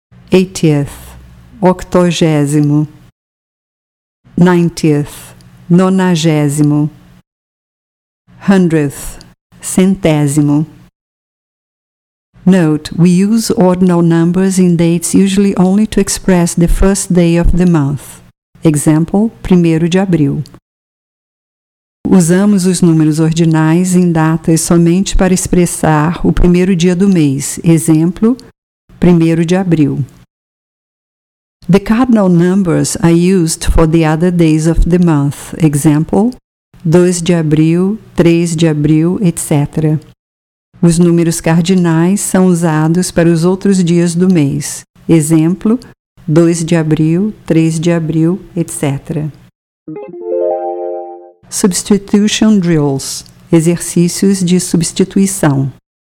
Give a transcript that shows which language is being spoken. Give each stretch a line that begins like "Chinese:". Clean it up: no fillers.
English: 80th, octogésimo. 90th, nonagésimo. 100th, centésimo. Note, we use ordinal numbers in dates usually only to express the first day of the month. Example, 1º de abril.
Portuguese: Usamos os números ordinais em datas somente para expressar o primeiro dia do mês. Exemplo, 1º de abril.
English: The cardinal numbers are used for the other days of the month. Example, 2 de abril, 3 de abril, etc.
Portuguese: Os números cardinais são usados para os outros dias do mês. Exemplo, 2 de abril, 3 de abril, etc.
English: Substitution drills,
Portuguese: exercícios de substituição.